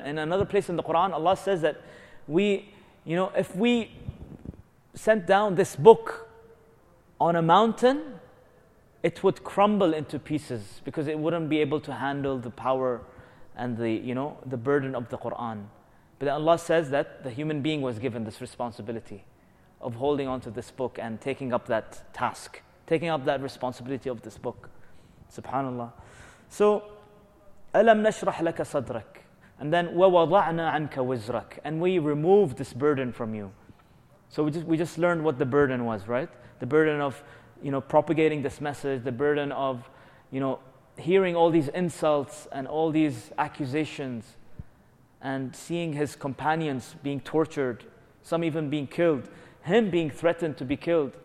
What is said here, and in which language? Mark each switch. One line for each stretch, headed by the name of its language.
English: In another place in the Quran, Allah says that we, you know, if we sent down this book on a mountain, it would crumble into pieces because it wouldn't be able to handle the power and the, you know, the burden of the Quran. But Allah says that the human being was given this responsibility of holding on to this book and taking up that task. taking up that responsibility of this book. Subhanallah. So,
Arabic: أَلَمْ نَشْرَحْ لَكَ صَدْرَكَ.
English: And then,
Arabic: وَوَضَعْنَا عَنْكَ وِزْرَكَ.
English: And we removed this burden from you. So we just learned what the burden was, right? The burden of, you know, propagating this message, the burden of, you know, hearing all these insults and all these accusations, and seeing his companions being tortured, some even being killed, him being threatened to be killed.